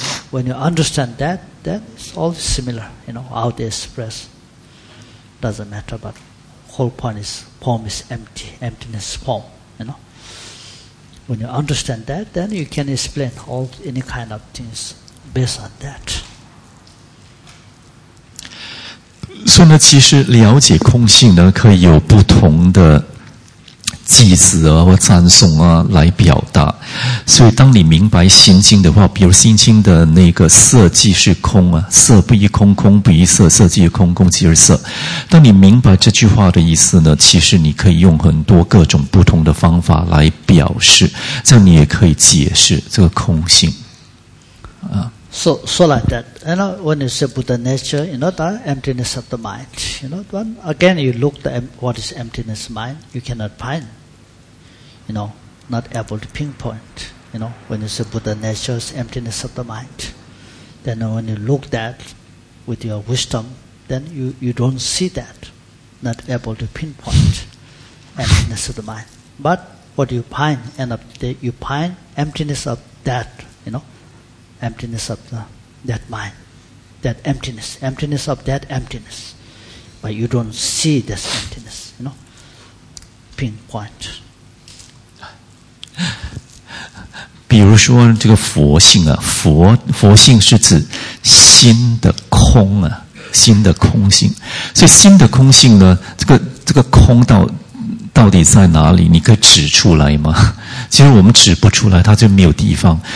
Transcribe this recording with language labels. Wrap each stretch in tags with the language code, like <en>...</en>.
<en>When you understand that, then it's all similar, you know, how they express. Doesn't matter, but whole point is poem is empty, emptiness, poem, you know. When you understand that, then you can explain all any kind of things based on that.</en> <zh>所以呢，其实了解空性呢，可以有不同的祭祀啊，或赞颂啊，来表达。所以，当你明白《心经》的话，比如《心经》的那个色即是空啊，色不异空，空不异色，色即是空，空即是色。当你明白这句话的意思呢，其实你可以用很多各种不同的方法来表示，这样你也可以解释这个空性啊。</zh> <en>So like that, you know, when you say Buddha nature, you know, the emptiness of the mind, you know, when again you look at what is emptiness mind, you cannot find, you know, not able to pinpoint, you know, when you say Buddha nature is emptiness of the mind, then when you look that with your wisdom, then you don't see that, not able to pinpoint emptiness of the mind. But what you find, end of the day, you find emptiness of that, you know,emptiness of that mind, that emptiness of that emptiness, but you don't see this emptiness, you know, pinpoint.</en> <zh>比如说这个佛性啊，佛性是指心的空啊，心的空性。所以心的空性呢，这个空到底在哪里？你可以指出来吗？其实我们指不出来，它就没有地方。</zh>